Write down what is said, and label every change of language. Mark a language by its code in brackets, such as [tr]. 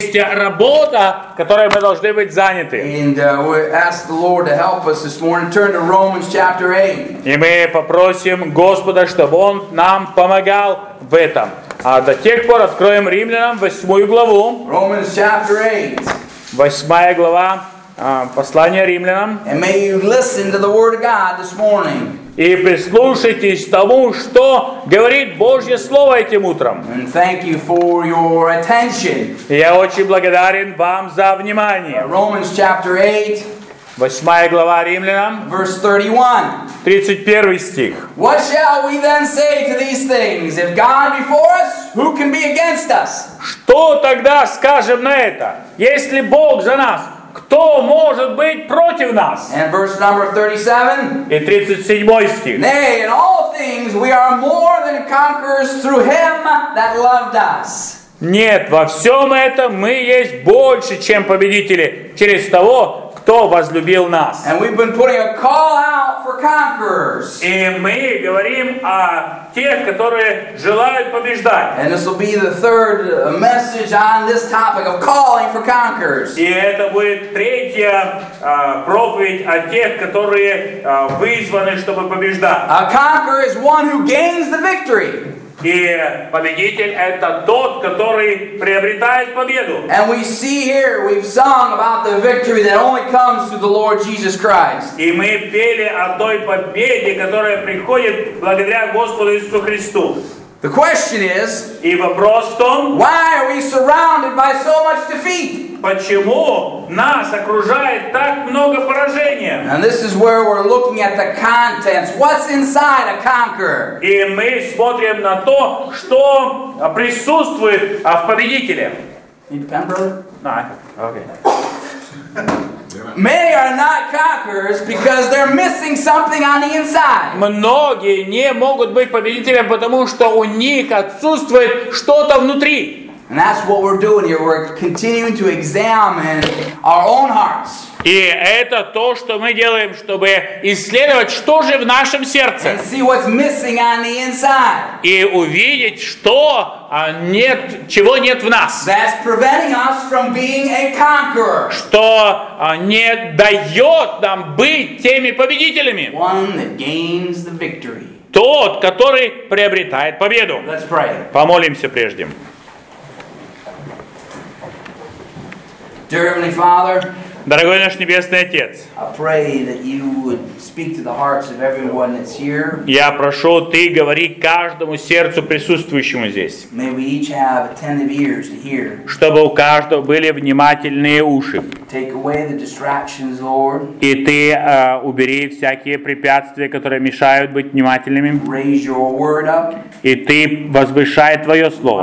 [ru] Есть работа, которой мы должны быть заняты. [en] And we ask the Lord to help us this morning. Turn to Romans chapter 8. [ru] И мы попросим Господа, чтобы Он нам помогал в этом. А до тех пор откроем Римлянам 8 главу. [en] Romans chapter 8. [ru] 8 глава послания Римлянам. [en] And may you listen to the word of God this morning. [ru] И прислушайтесь тому, что говорит Божье Слово этим утром. [en] And thank you for your attention. [ru] Я очень благодарен вам за внимание. [en] Romans chapter 8. [ru] 8 глава Римлянам. [en] Verse 31. [ru] 31 стих. [en] What shall we then say to these things? If God be for us, who can be against us? [ru] Что тогда скажем на это? Если Бог за нас, кто может быть против нас? [en] And verse number 37. [ru] И 37 стих. [en] Nay, in all things we are more than conquerors through him that loved us. [ru] Нет, во всем этом мы есть больше, чем победители, через того, кто возлюбил нас. [en] And we've been putting a call out for conquerors. [ru] И мы говорим о тех, которые желают побеждать. [en] And this will be the third message on this topic of calling for conquerors. [ru] И это будет третья проповедь о тех, которые вызваны, чтобы побеждать. [en] A conqueror is one who gains the victory. [ru] И победитель — это тот, который приобретает победу. [en] And we see here, we've sung about the victory that only comes through the Lord Jesus Christ. [ru] И мы пели о той победе, которая приходит благодаря Господу Иисусу Христу. [en] The question is, [ru] и вопрос в том, [en] why are we surrounded by so much defeat? [ru] Почему нас окружает так много поражения? [en] And this is where we're looking at the contents. What's inside a conqueror? [ru] И мы смотрим на то, что присутствует в победителе. [en] Need pepper? No. Okay. Many are not conquerors because they're missing something on the inside. [ru] Многие не могут быть победителями, потому что у них отсутствует что-то внутри. [en] And that's what we're doing here. We're continuing to examine our own hearts. [ru] И это то, что мы делаем, чтобы исследовать, что же в нашем сердце. [en] And see what's missing on the inside. [ru] И увидеть, что нет, чего нет в нас. [en] That's preventing us from being a conqueror. [ru] Что не дает нам быть теми победителями. [en] One that gains the victory. [ru] Тот, который приобретает победу. [en] Let's pray. [ru] Помолимся прежде. [en] Dear Heavenly Father, [ru] дорогой наш Небесный Отец, [en] I pray that you would speak to the hearts of everyone that's here. [ru] Я прошу, ты говори каждому сердцу присутствующему здесь. [en] May we each have attentive ears to hear. [ru] Чтобы у каждого были внимательные уши. [en] Take away the distractions, Lord. [ru] И ты убери всякие препятствия, которые мешают быть внимательными. [en] Raise your word up. [ru] И ты возвышай твое слово.